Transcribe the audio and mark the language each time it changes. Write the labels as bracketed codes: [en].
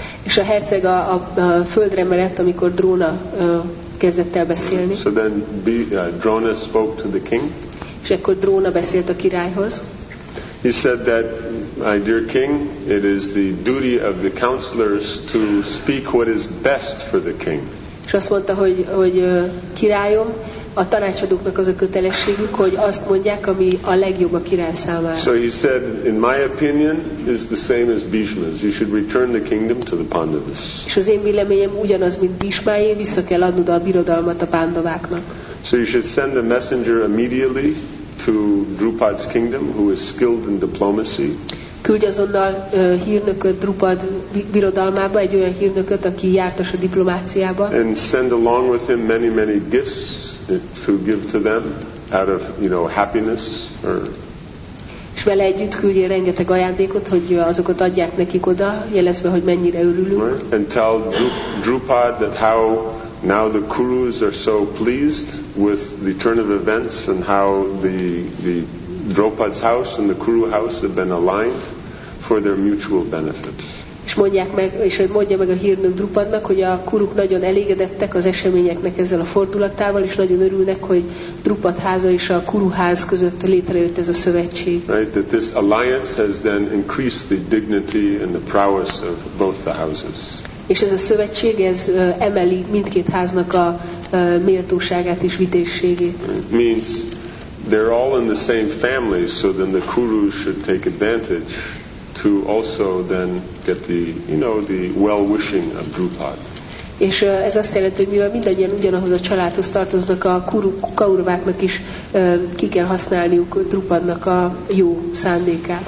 [hu] És a herceg a földre merett, amikor Drona kezdett el beszélni. [en] So then Drona spoke to the king. [hu] És akkor Drona beszélt a királyhoz. [en] He said that, my dear king, it is the duty of the counselors to speak what is best for the king. [hu] És azt mondta, hogy királyom, a tanácsadóknak az a kötelességük, hogy azt mondják, ami a legjobb a király számára. [en] So he said, in my opinion, is the same as Bhishma's. You should return the kingdom to the Pandavas. [hu] És az én véleményem ugyanaz, mint Bhishmáé, vissza kell adnod a birodalmat a Pandaváknak. [en] So you should send a messenger immediately to Drupad's kingdom, who is skilled in diplomacy. [hu] Küldj azonnal hírnököt Drupad birodalmába, egy olyan hírnököt, aki jártas a diplomáciába. [en] And send along with him many, many gifts to give to them out of, you know, happiness. [hu] És vele együtt küldjél rengeteg ajándékot, hogy azokat adják nekik oda, jelezve, hogy mennyire örülünk. [en] And tell Drupad that how Now the Kurus are so pleased with the turn of events and how the Draupad's house and the Kuru house have been aligned for their mutual benefit. [hu] És mondják meg, és mondja meg a hírnök Drupadnak, hogy a kuruk nagyon elégedettek az eseményeknek ezzel a fordulatával, és nagyon örülnek, hogy Drupad háza és a kuru ház között létrejött ez a szövetség. [en] Right, that this alliance has then increased the dignity and the prowess of both the houses. [hu] És ez a szövetség, ez emeli mindkét háznak a méltóságát és vitézségét. [en] It means they're all in the same family, so then the kurus should take advantage to also then get the, you know, the well-wishing of Drupad. [hu] És ez azt jelenti, hogy mivel mindannyian ugyanahoz a családhoz tartoznak, a kauruváknak is ki kell használniuk Drupadnak a jó szándékát.